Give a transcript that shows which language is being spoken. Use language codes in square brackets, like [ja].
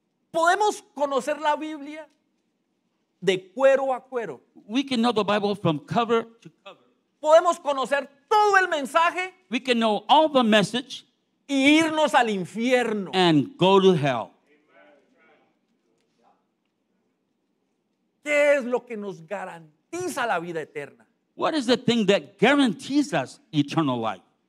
[es] ¿Podemos conocer la Biblia de cuero a cuero? [en] We can know the Bible from cover to cover. [es] ¿Podemos conocer todo el mensaje? [en] We can know all the message. [es] Y irnos al infierno. [en] And go to hell. [es] ¿Qué es lo que nos garantiza la vida eterna? [en] What is the thing that guarantees us eternal life?